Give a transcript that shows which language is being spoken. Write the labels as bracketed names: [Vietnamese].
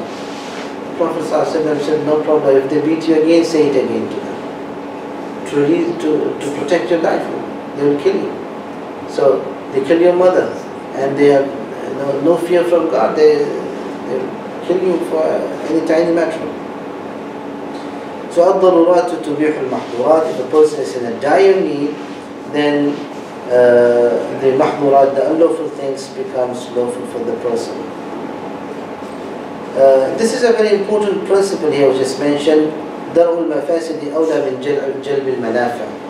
[English] The Prophet said, no problem, if they beat you again, say it again to them. To protect your life, they will kill you. So they kill your mother, and they have no fear from God. They kill you for any tiny matter. [Arabic] So الضرورات تبيح المحظورات. [English] If a person is in a dire need, then the محظورات, the unlawful things, becomes lawful for the person. This is a very important principle here, which is mentioned. [Arabic] درء المفاسد أولى من جلب المنافع.